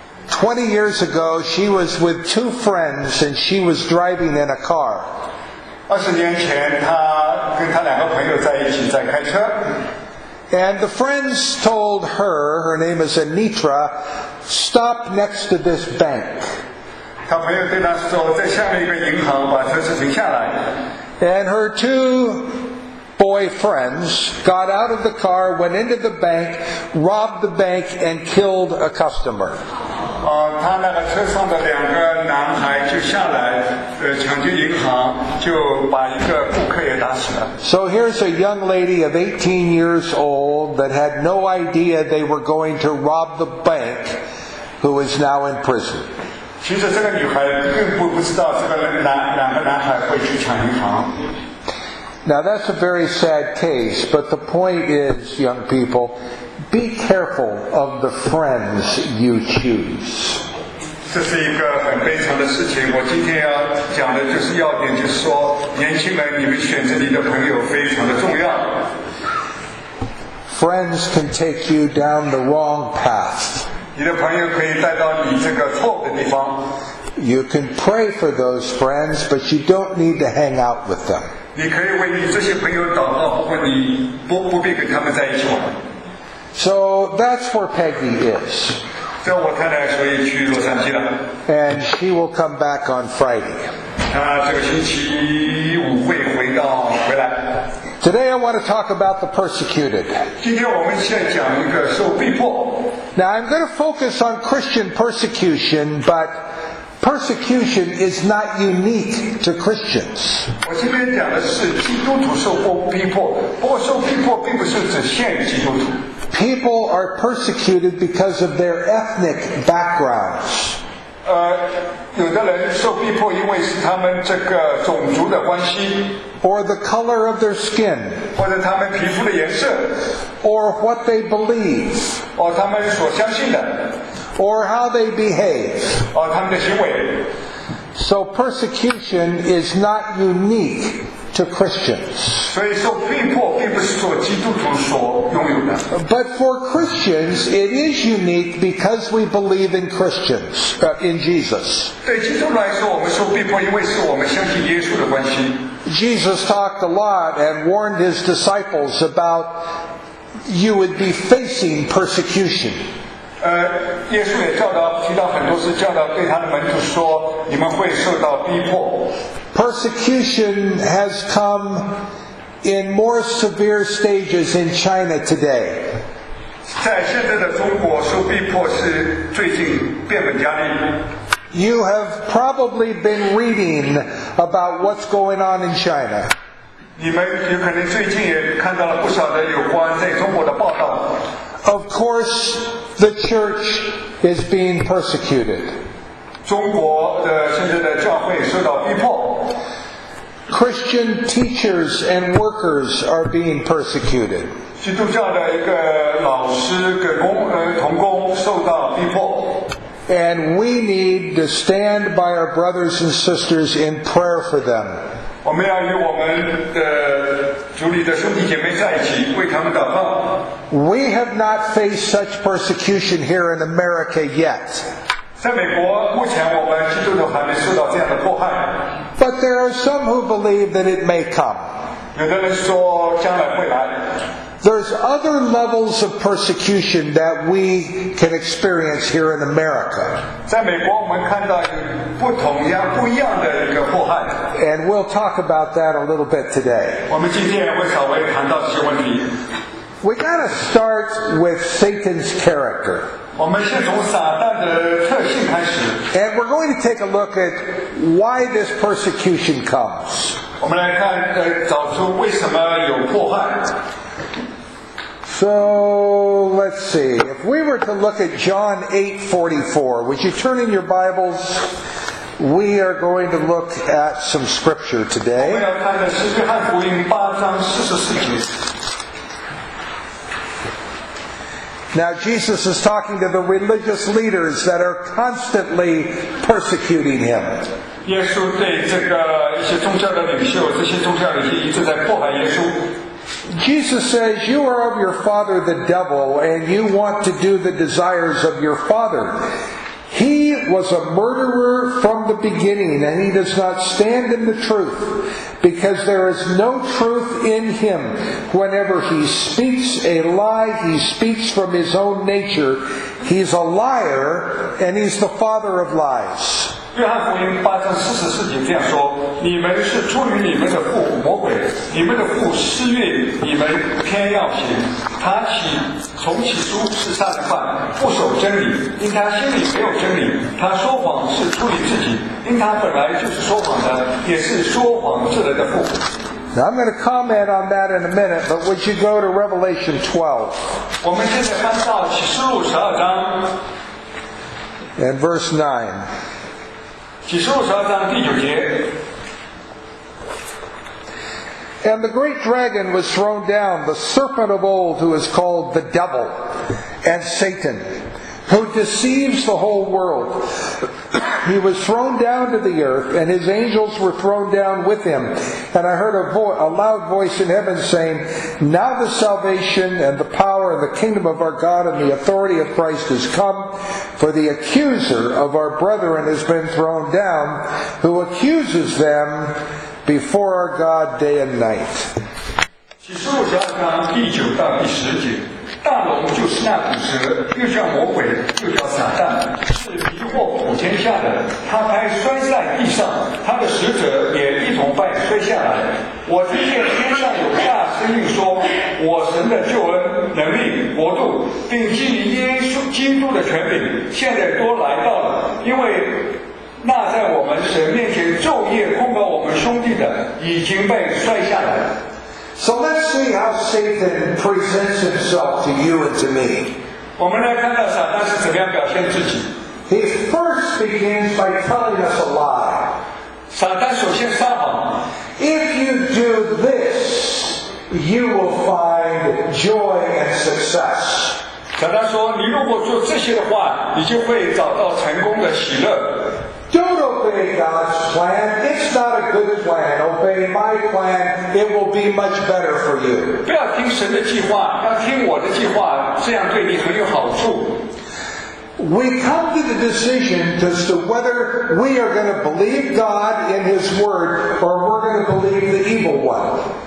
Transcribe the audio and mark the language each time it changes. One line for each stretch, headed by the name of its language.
English: 20 years ago, she was with two friends and she was driving in a car. 20 years ago,
Chinese: 她跟她两个朋友在一起在开车。
English: And the friends told her, her name is Anitra, stop next to this bank.
Chinese: 她朋友对她说，在下面一个银行把车子停下来。
English: And her two boyfriends got out of the car, went into the bank, robbed the bank, and killed a customer.
Chinese: 他那个车上的两个男孩就下来，抢劫银行，就把一个顾客也打死了。
English: So here's a young lady of 18 years old that had no idea they were going to rob the bank, who is now in prison.
Chinese: 其实这个女孩并不知道这个两个男孩会去抢银行。
English: Now that's a very sad case, but the point is, young people, be careful of the friends you choose.
Chinese: 这是一个很悲惨的事情，我今天要讲的就是要点，就是说年轻人，你们选择你的朋友非常的重要。
English: Friends can take you down the wrong path.
Chinese: 你的朋友可以带到你这个错的地方。
English: You can pray for those friends, but you don't need to hang out with them.
Chinese: 你可以为你这些朋友祷告，不过你不不必跟他们在一起玩。
English: So that's where Peggy is.
Chinese: 叫我太太，所以去洛杉矶了。
English: And she will come back on Friday.
Chinese: 她这个星期五会回到回来。
English: Today I want to talk about the persecuted.
Chinese: 今天我们先讲一个受逼迫。
English: Now I'm going to focus on Christian persecution, but persecution is not unique to Christians.
Chinese: 我今天讲的是基督徒受逼迫，不过受逼迫并不是只限于基督徒。
English: People are persecuted because of their ethnic backgrounds.
Chinese: 有的人受逼迫因为是他们这个种族的关系。
English: Or the color of their skin.
Chinese: 或者他们皮肤的颜色。
English: Or what they believe.
Chinese: 哦，他们所相信的。
English: Or how they behave.
Chinese: 哦，他们的行为。
English: So persecution is not unique to Christians.
Chinese: 所以受逼迫并不是说基督徒所拥有的。
English: But for Christians, it is unique because we believe in Christians, in Jesus.
Chinese: 对基督来说，我们受逼迫，因为是我们相信耶稣的关系。
English: Jesus talked a lot and warned his disciples about you would be facing persecution.
Chinese: 耶稣也教导提到很多次教导对他的门徒说你们会受到逼迫。
English: Persecution has come in more severe stages in China today.
Chinese: 在现在的中国受逼迫是最近变本加厉。
English: You have probably been reading about what's going on in China.
Chinese: 你们有可能最近也看到了不少的有关在中国的报道。
English: Of course, the church is being persecuted.
Chinese: 中国的现在的教会受到逼迫。
English: Christian teachers and workers are being persecuted.
Chinese: 基督教的一个老师跟工同工受到逼迫。
English: And we need to stand by our brothers and sisters in prayer for them.
Chinese: 我们要与我们的主里的兄弟姐妹在一起，为他们祷告。
English: We have not faced such persecution here in America yet.
Chinese: 在美国，目前我们基督徒还没受到这样的迫害。
English: But there are some who believe that it may come.
Chinese: 有的人说将来会来。
English: There's other levels of persecution that we can experience here in America.
Chinese: 在美国，我们看到有不同样、不一样的一个迫害。
English: And we'll talk about that a little bit today.
Chinese: 我们今天会稍微谈到这些问题。
English: We gotta start with Satan's character.
Chinese: 我们先从撒旦的特性开始。
English: And we're going to take a look at why this persecution comes.
Chinese: 我们来看，找出为什么有迫害。
English: So, let's see. If we were to look at John 8:44, would you turn in your Bibles? We are going to look at some scripture today.
Chinese: 我们要看的是约翰福音八章四十四节。
English: Now, Jesus is talking to the religious leaders that are constantly persecuting him.
Chinese: 耶稣对这个一些宗教的领袖，这些宗教领袖一直在迫害耶稣。
English: Jesus says, you are of your father the devil, and you want to do the desires of your father. He was a murderer from the beginning, and he does not stand in the truth, because there is no truth in him. Whenever he speaks a lie, he speaks from his own nature. He's a liar, and he's the father of lies.
Chinese: 约翰福音八章四十四节这样说：你们是出于你们的父魔鬼，你们的父私欲，你们偏要行。他起从起初是杀人犯，不守真理，因他心里没有真理。他说谎是出于自己，因他本来就是说谎的，也是说谎之人的父。
English: Now I'm going to comment on that in a minute, but would you go to Revelation 12?
Chinese: 我们现在翻到启示录十二章
English: ，and verse 9.
Chinese: 启示录十二章第九节。
English: And the great dragon was thrown down, the serpent of old, who is called the devil and Satan, who deceives the whole world. He was thrown down to the earth, and his angels were thrown down with him. And I heard a loud voice in heaven saying, Now the salvation and the power and the kingdom of our God and the authority of Christ has come, for the accuser of our brethren has been thrown down, who accuses them before our God day and night.
Chinese: 启示录十二章第九到第十节，大龙就是那古蛇，又叫魔鬼，又叫撒旦，是迷惑普天下的。他拍摔在地上，他的使者也一同拜摔下来。我听见天上有大声音说：“我神的救恩、能力、国度，并基于耶稣基督的权柄，现在都来到了。因为那在我们神面前昼夜控告我们兄弟的，已经被摔下来。”
English: So let's see how Satan presents himself to you and to me.
Chinese: 我们来看看撒旦是怎么样表现自己。
English: He first begins by telling us a lie.
Chinese: 撒旦首先撒谎。
English: If you do this, you will find joy and success.
Chinese: 撒旦说，你如果做这些的话，你就会找到成功的喜乐。
English: Don't obey God's plan. It's not a good plan. Obey my plan. It will be much better for you.
Chinese: 不要听神的计划，要听我的计划，这样对你很有好处。
English: We come to the decision as to whether we are going to believe God in His word or we're going to believe the evil one.